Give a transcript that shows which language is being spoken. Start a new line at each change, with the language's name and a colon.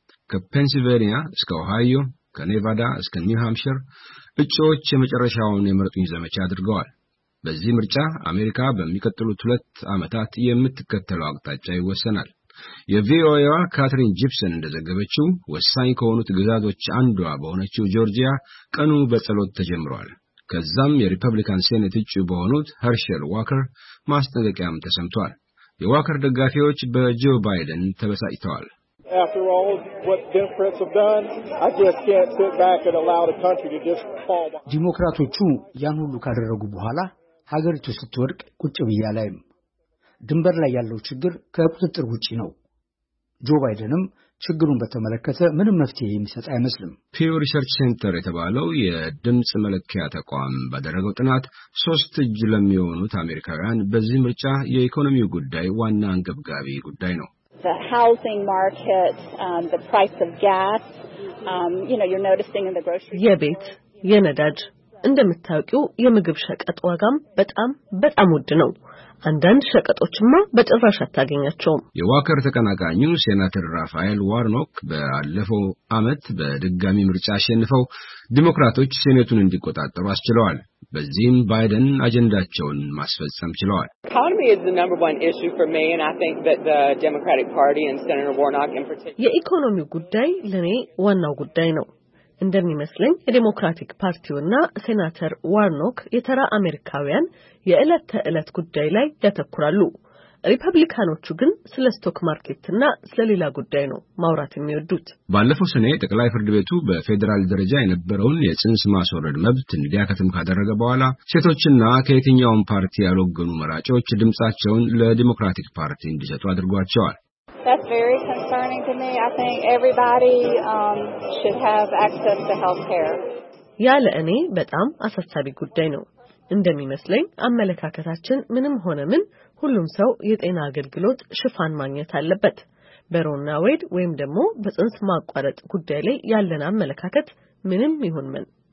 Amharic: ከፔንሲልቬኒያ እስከ ኦሃዮ፣ ከኔቫዳ እስከ ኒውሃምፕሺር እጩዎች የመጨረሻውን የምረጡኝ ዘመቻ አድርገዋል። በዚህ ምርጫ አሜሪካ በሚቀጥሉት 2 ዓመታት የምትከተለው አቅጣጫ ይወሰናል። የቪኦኤ ካትሪን ጂፕሰን እንደዘገበችው ወሳኝ ከሆኑት ግዛቶች አንዷ በሆነችው ጆርጂያ ቀኑ በጸሎት ተጀምሯል። ከዛም የሪፐብሊካን ሴኔት እጩ በሆኑት ሄርሸል ዋከር ማስጠንቀቂያም ተሰምቷል። የዋከር ደጋፊዎች በጆ ባይደን ተበሳጭተዋል።
English: After all what Democrats have done, I just can't sit back and allow the country to just fall behind.
Amharic: ዲሞክራቶቹ ያን ሁሉ ካደረጉ በኋላ ሀገሪቱ ስትወድቅ ቁጭ ብያ ላይም ድንበር ላይ ያለው ችግር ከቁጥጥር ውጪ ነው። ጆ ባይደንም ችግሩን በተመለከተ ምንም መፍትሄ የሚሰጥ አይመስልም። ፒው ሪሰርች ሴንተር የተባለው የድምጽ መለኪያ ተቋም ባደረገው ጥናት 3 እጅ ለሚሆኑት አሜሪካውያን በዚህ ምርጫ የኢኮኖሚው ጉዳይ ዋና አንገብጋቢ ጉዳይ ነው።
English: The housing market, the price of gas, you're noticing in the grocery
Amharic: የቤት የነዳጅ እንደምታውቁ የምግብ ሸቀጥ ዋጋም በጣም ውድ ነው። አንዳንድ ሸቀጦችማ በጥራሽ አታገኛቸው። የዋከር ተቀናቃኙ ሴናተር ራፋኤል ዋርኖክ በአለፈው አመት በድጋሚ ምርጫ አሸንፈው ዲሞክራቶች ሴኔቱን እንዲቆጣጠሩ አስችለዋል። በዚህም ባይደን አጀንዳቸውን ማስፈጸም ችለዋል።
English: Economy is the number one issue for me and I think that the Democratic Party and Senator Warnock in particular
Amharic: የኢኮኖሚው ጉዳይ ለኔ ዋናው ጉዳይ ነው። እንደሚመስለኝ የዲሞክራቲክ ፓርቲውና ሴናተር ዋርኖክ የተራ አሜሪካውያን የዕለት ተዕለት ጉዳይ ላይ ያተኩራሉ። ሪፐብሊካኖቹ ግን ስለ ስቶክ ማርኬትና ስለ ሌላ ጉዳይ ነው ማውራት የሚወዱት። ባለፈው ሰኔ ጠቅላይ ፍርድ ቤቱ በፌደራል ደረጃ የነበረውን የጽንስ ማስወረድ መብት እንዲያከትም ካደረገ በኋላ ሴቶችና ከየትኛውም ፓርቲ ያልወገኑ መራጮች ድምጻቸውን ለዲሞክራቲክ ፓርቲ እንዲሰጡ አድርጓቸዋል።
English: That's very concerning to me. I think everybody should have access to health care.
Amharic: ያለ እኔ በጣም አሳሳቢ ጉዳይ ነው። እንደሚመስለኝ አመለካከታችን ምንም ሆነ ምን ሁሉም ሰው የጤና አገልግሎት ሽፋን ማግኘት አለበት። በሮና ዌድ ወይም ደግሞ በጽንስ ማቋረጥ ጉዳይ ላይ ያለን አመለካከት ምንም ይሁን ምን